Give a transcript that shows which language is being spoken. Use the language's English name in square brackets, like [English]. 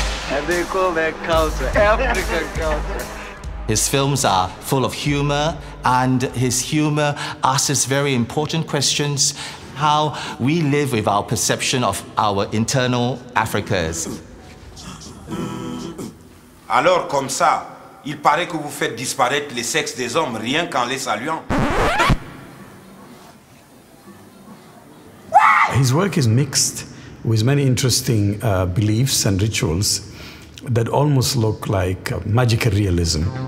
[English] And they call that culture African culture. His films are full of humor, and his humor asks very important questions, how we live with our perception of our internal Africans. [French] Alors comme ça, il paraît que vous faites disparaître les sexes des hommes rien qu'en les saluant. [English] His work is mixed with many interesting beliefs and rituals that almost look like magical realism.